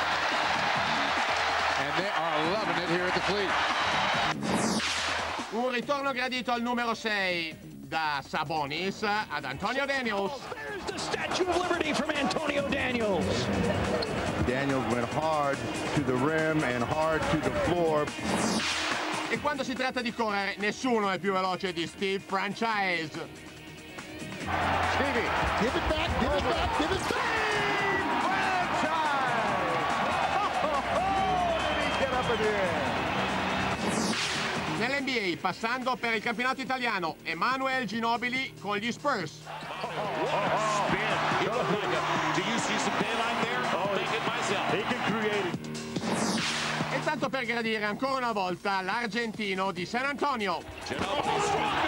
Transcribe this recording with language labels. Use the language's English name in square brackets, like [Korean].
[English] And they are loving it here at the fleet. [Italian] Un ritorno gradito al numero 6. Da Sabonis ad Antonio Daniels. [English] There's the Statue of Liberty from Antonio Daniels. Daniels went hard to the rim and hard to the floor. [Italian] E quando si tratta di correre, nessuno è più veloce di Steve Francise. [English] Stevie, give it back, give it back, give it back. Steve Francise! Oh, did he get up in the air? [Italian] Nell'NBA, passando per il campionato italiano, Emmanuel Ginobili con gli Spurs. E tanto per gradire ancora una volta l'argentino di San Antonio.